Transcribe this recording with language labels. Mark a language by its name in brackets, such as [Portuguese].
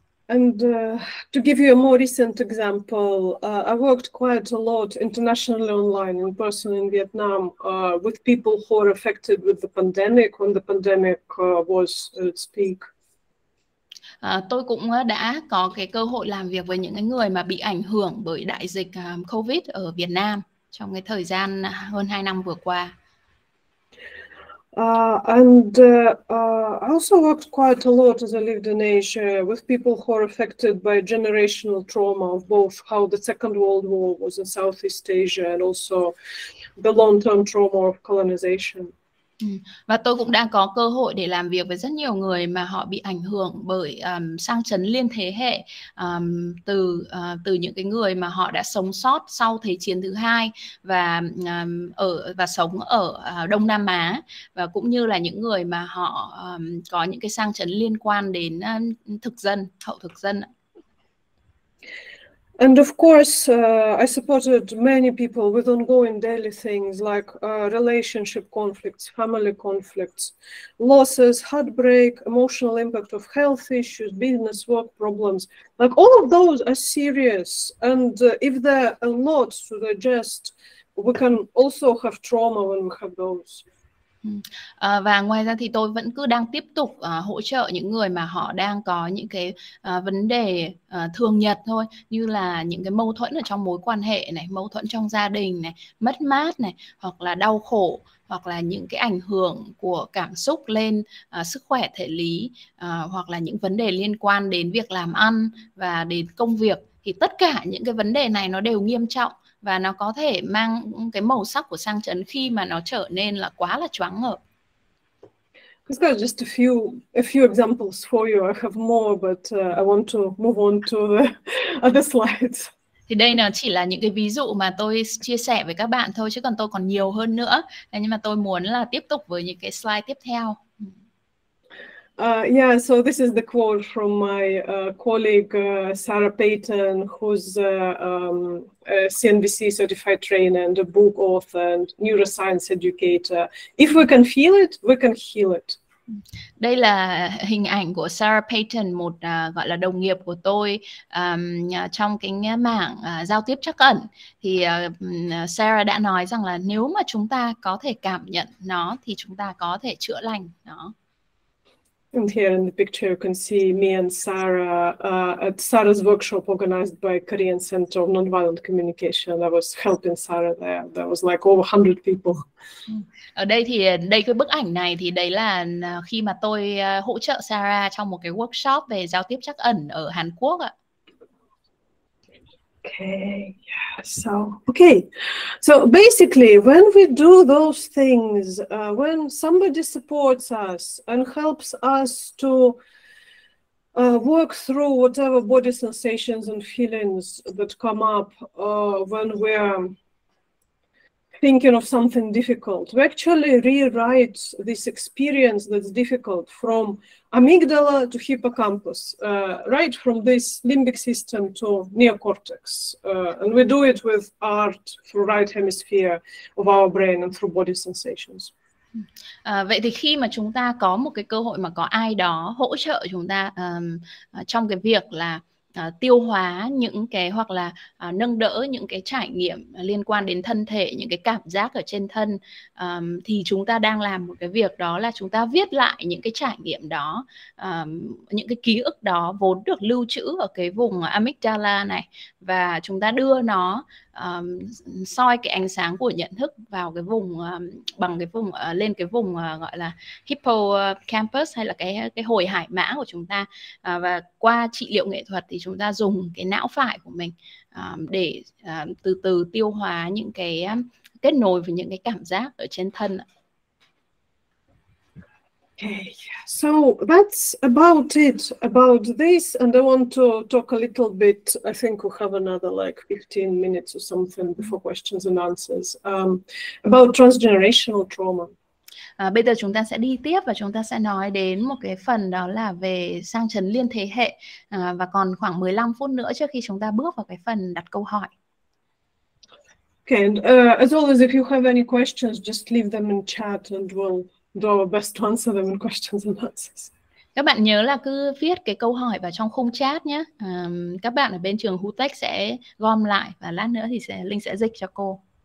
[English] And to give you a more recent example, I worked quite a lot internationally online in person in Vietnam with people who are affected with the pandemic when the pandemic was at its peak. [Vietnamese] Tôi cũng đã có cái cơ hội làm việc với những cái người mà bị ảnh hưởng bởi đại dịch COVID ở Việt Nam trong cái thời gian hơn 2 năm vừa qua. [English] I also worked quite a lot as I lived in Asia with people who are affected by generational trauma of both how the Second World War was in Southeast Asia and also the long-term trauma of colonization. [Vietnamese] Và tôi cũng đang có cơ hội để làm việc với rất nhiều người mà họ bị ảnh hưởng bởi sang chấn liên thế hệ, từ từ những cái người mà họ đã sống sót sau Thế chiến thứ hai và sống ở Đông Nam Á, và cũng như là những người mà họ có những cái sang chấn liên quan đến thực dân, hậu thực dân. [English] And of course, I supported many people with ongoing daily things like relationship conflicts, family conflicts, losses, heartbreak, emotional impact of health issues, business, work problems. Like all of those are serious. And if there are a lot to digest, we can also have trauma when we have those. [Vietnamese] Và ngoài ra thì tôi vẫn cứ đang tiếp tục hỗ trợ những người mà họ đang có những cái vấn đề thường nhật thôi, như là những cái mâu thuẫn ở trong mối quan hệ này, mâu thuẫn trong gia đình này, mất mát này, hoặc là đau khổ, hoặc là những cái ảnh hưởng của cảm xúc lên sức khỏe thể lý, hoặc là những vấn đề liên quan đến việc làm ăn và đến công việc. Thì tất cả những cái vấn đề này nó đều nghiêm trọng và nó có thể mang cái màu sắc của sang chấn khi mà nó trở nên là quá là choáng ngợp. [English] Just a few examples for you. I have more, but I want to move on to the other slides. [Vietnamese] Thì đây là chỉ là những cái ví dụ mà tôi chia sẻ với các bạn thôi, chứ còn tôi còn nhiều hơn nữa. Nhưng mà tôi muốn là tiếp tục với những cái slide tiếp theo. [English] So this is the quote from my colleague Sarah Payton, who's a CNBC certified trainer and a book author and neuroscience educator. If we can feel it, we can heal it. [Vietnamese] Đây là hình ảnh của Sarah Payton, một gọi là đồng nghiệp của tôi trong cái mảng giao tiếp trắc ẩn. Thì Sarah đã nói rằng là nếu mà chúng ta có thể cảm nhận nó thì chúng ta có thể chữa lành nó. [English] And here in the picture, you can see me and Sarah at Sarah's workshop organized by Korean Center of Nonviolent Communication. I was helping Sarah there. There was like over 100 people. [Vietnamese] Ở đây thì đây cái bức ảnh này thì đấy là khi mà tôi hỗ trợ Sarah trong một cái workshop về giao tiếp trắc ẩn ở Hàn Quốc ạ. [English] So basically, when we do those things, when somebody supports us and helps us to work through whatever body sensations and feelings that come up when we're thinking of something difficult, we actually rewrite this experience that's difficult from amygdala to hippocampus, right from this limbic system to neocortex. And we do it with art through right hemisphere of our brain and through body sensations. [Vietnamese] Vậy thì khi mà chúng ta có một cái cơ hội mà có ai đó hỗ trợ chúng ta trong cái việc là tiêu hóa những cái hoặc là nâng đỡ những cái trải nghiệm liên quan đến thân thể, những cái cảm giác ở trên thân, thì chúng ta đang làm một cái việc đó là chúng ta viết lại những cái trải nghiệm đó, những cái ký ức đó vốn được lưu trữ ở cái vùng amygdala này, và chúng ta đưa nó soi cái ánh sáng của nhận thức vào cái vùng bằng cái vùng lên cái vùng gọi là hippocampus hay là cái hồi hải mã của chúng ta, và qua trị liệu nghệ thuật thì chúng ta dùng cái não phải của mình để từ từ tiêu hóa những cái kết nối với những cái cảm giác ở trên thân ạ. [English] So that's about it about this, and I want to talk a little bit. I think we'll have another like 15 minutes or something before questions and answers about transgenerational trauma. [Vietnamese] Bây giờ chúng ta sẽ đi tiếp và chúng ta sẽ nói đến một cái phần đó là về sang chấn liên thế hệ, và còn khoảng 15 phút nữa trước khi chúng ta bước vào cái phần đặt câu hỏi. [English] Okay, and as always, if you have any questions, just leave them in chat and we'll do our best to answer them in questions and answers. [Vietnamese] Các bạn nhớ là cứ viết cái câu hỏi vào trong khung chat nhé. Các bạn ở bên trường Hutech sẽ gom lại và lát nữa thì Linh sẽ dịch cho cô.